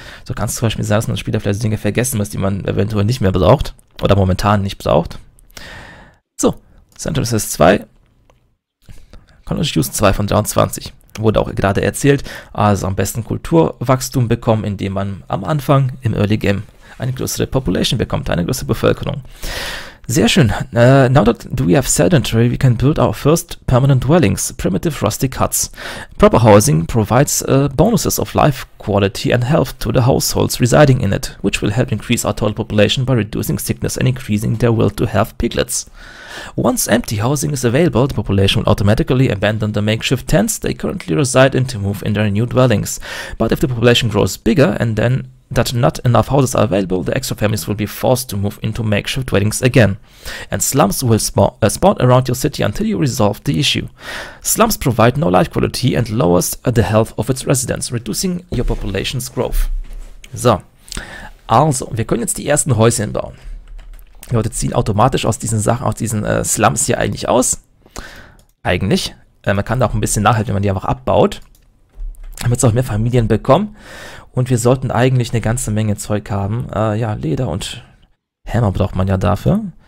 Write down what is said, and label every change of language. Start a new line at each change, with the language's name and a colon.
German: So kann es zum Beispiel sein, dass man als Spieler vielleicht Dinge vergessen muss, die man eventuell nicht mehr braucht oder momentan nicht braucht. So, Central SS 2. Use 2 von 23. Wurde auch gerade erzählt. Also am besten Kulturwachstum bekommen, indem man am Anfang im Early Game eine größere Population bekommt, eine größere Bevölkerung. Sehr schön.
English: Now that we have sedentary, we can build our first permanent dwellings, primitive rustic huts. Proper housing provides bonuses of life quality and health to the households residing in it, which will help increase our total population by reducing sickness and increasing their will to have piglets. Once empty housing is available, the population will automatically abandon the makeshift tents they currently reside in to move in their new dwellings. But if the population grows bigger and then that not enough houses are available, the extra families will be forced to move into makeshift dwellings again. And slums will spawn around your city until you resolve the issue. Slums provide no life quality and lowers the health of its residents, reducing your population's growth.
German: So, also, wir können jetzt die ersten Häuschen bauen. Die Leute ziehen automatisch aus diesen Sachen, aus diesen Slums hier eigentlich aus. Eigentlich. Man kann da auch ein bisschen nachhelfen, wenn man die einfach abbaut. Wir haben jetzt auch mehr Familien bekommen. Und wir sollten eigentlich eine ganze Menge Zeug haben. Ja, Leder und Hämmer braucht man ja dafür.